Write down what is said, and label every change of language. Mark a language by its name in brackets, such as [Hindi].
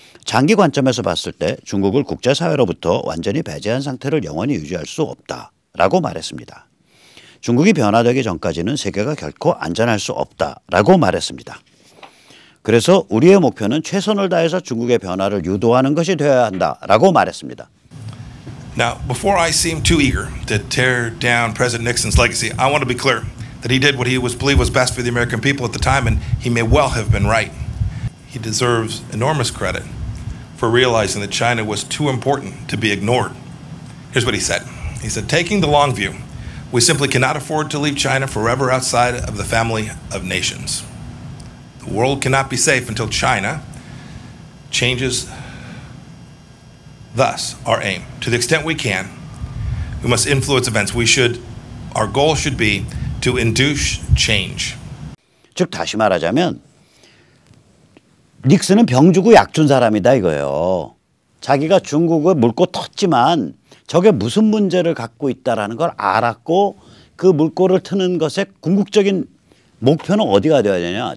[Korean] 장기 관점에서 봤을 때 중국을 국제사회로부터 완전히 배제한 상태를 영원히 유지할 수 없다라고 말했습니다. 중국이 변화되기 전까지는 세계가 결코 안전할 수 없다라고 말했습니다. 그래서 우리의 목표는 최선을 다해서 중국의 변화를 유도하는 것이 되어야 한다라고 말했습니다. [English] Now, before I seem too eager to tear down President Nixon's legacy, I want to be clear that he did what he was believed was best for the American people at the time, and he may well have been right. He deserves enormous credit for realizing that China was too important to be ignored. Here's what he said. He said, taking the long view, we simply cannot afford to leave China forever outside of the family of nations. The world cannot be safe until China changes. Thus, our aim, to the extent we can, we must influence events. Our goal should be to induce change. [Korean] 즉 다시 말하자면 닉슨은 병주고 약준 사람이다 이거예요. 자기가 중국을 물고 텄지만 저게 무슨 문제를 갖고 있다라는 걸 알았고 그 물꼬를 트는 것에 궁극적인 목표는 어디가 돼야 되냐.